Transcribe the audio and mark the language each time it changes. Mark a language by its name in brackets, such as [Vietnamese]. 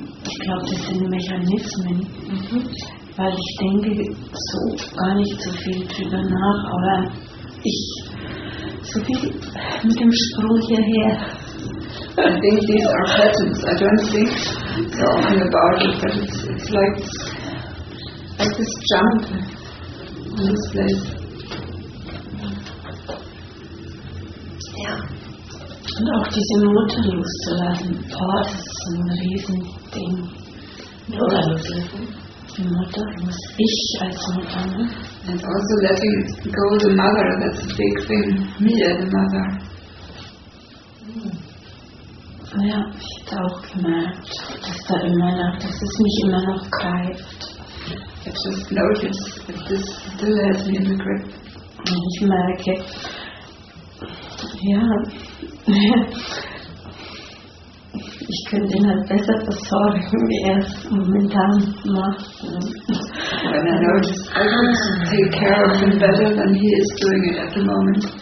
[German] Ich glaube, das sind Mechanismen, weil ich denke so gar nicht so viel drüber nach, aber ich, so viel mit dem Sprung hierher. [English] I think these are patterns. I don't think so often about it, but it's like this jump in this place. [German] Ja. Und auch diese Mutter loszulassen, boah, das ist ein Riesending. Die Mutter, muss ich als Mutter. Ne? [English] And also letting go the mother, that's a big thing. Me as the mother. [German] Ja, ich habe auch gemerkt, dass da immer noch, dass es mich immer noch greift. [English] I just noticed that this still has me in the grip. [German] Und ich merke, ja, ich könnte ihn halt besser versorgen, wie er es momentan macht. [English] When I notice, I want to take care of him better than he is doing it at the moment.